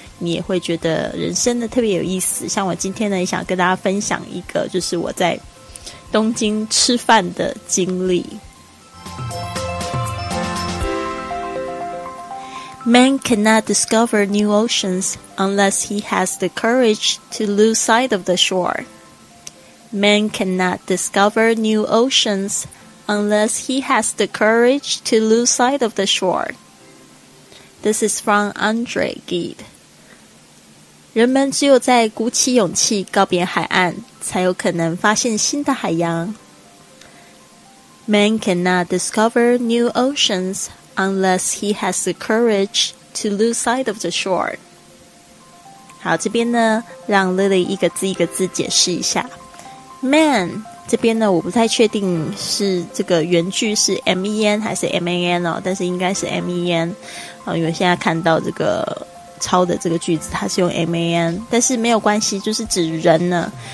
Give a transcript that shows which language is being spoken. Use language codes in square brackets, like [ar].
[zh] 你也会觉得人生的特别有意思像我今天呢也想跟大家分享一个就是我在东京吃饭的经历 [en] Man cannot discover new oceansUnless he has the courage to lose sight of the shore. Man cannot discover new oceans unless he has the courage to lose sight of the shore. This is from Andre Gide. [zh] 人们只有在鼓起勇气告别海岸，才有可能发现新的海洋。 [en] Man cannot discover new oceans unless he has the courage to lose sight of the shore. [zh] 好，这边呢，让 Lily 一个字一个字解释一下。 Man 这边呢，我不太确定是这个原句是 M-E-N 还是 M-A-N 哦，但是应该是 M-E-N 啊、因为现在看到这个抄的这个句子，它是用 M-A-N， 但是没有关系，就是指人呢。